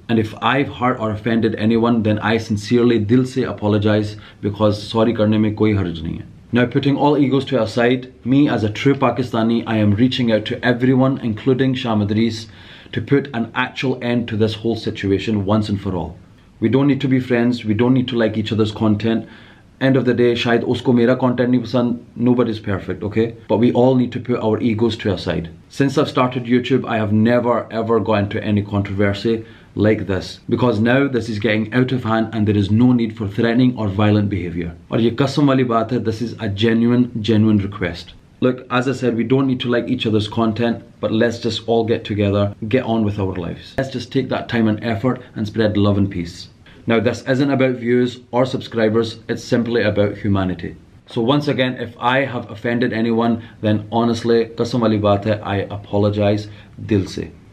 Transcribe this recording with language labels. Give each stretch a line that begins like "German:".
English: And if I've hurt or offended anyone, then I sincerely
Urdu: دل سے
English: apologize, because sorry
Urdu: کرنے میں کوئی حرج نہیں ہے۔
English: Now, putting all egos to our side, me as a true Pakistani, I am reaching out to everyone, including Shah Madris, to put an actual end to this whole situation once and for all. We don't need to be friends. We don't need to like each other's content. End of the day,
Urdu: شاید اس کو میرا content نہیں پسند۔
English: Nobody's perfect, okay? But we all need to put our egos to our side. Since I've started YouTube, I have never ever got into any controversy like this, because now this is getting out of hand and there is no need for threatening or violent behavior.
Urdu: اور یہ قسم والی بات ہے،
English: this is a genuine request. Look, as I said, we don't need to like each other's content, but let's just all get together, get on with our lives. Let's just take that time and effort and spread love and peace. Now, this isn't about views or subscribers, it's simply about humanity. So once again, if I have offended anyone, then honestly,
Urdu: قسم والی بات ہے،
English: I apologize
Urdu: دل سے۔